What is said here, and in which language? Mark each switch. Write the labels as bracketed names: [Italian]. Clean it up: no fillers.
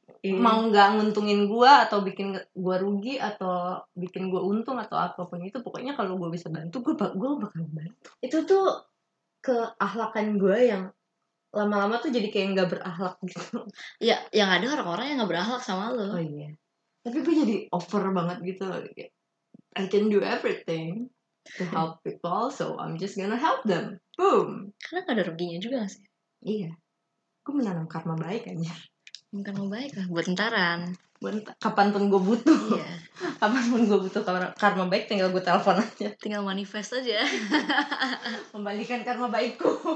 [Indonesian] Mau gak nguntungin gue, atau bikin gue rugi, atau bikin gue untung, atau apapun itu. Pokoknya kalau gue bisa bantu, gue bakal bantu. Itu tuh keakhlakan gue yang lama-lama tuh jadi kayak gak berakhlak gitu. Ya, yang ada orang-orang yang gak berakhlak sama lu. Oh iya. Tapi gue jadi over banget gitu loh. [English] I can do everything to help people, so I'm just gonna help them. Boom. [Indonesian] Karena gak ada ruginya juga gak sih? Iya. Gue menanam karma baik aja. Bukan mau baik lah, buat entaran. Kapanpun gue butuh. Iya. Kapanpun gue butuh karma baik, tinggal gue telepon aja. Tinggal manifest aja. Membalikan karma baikku.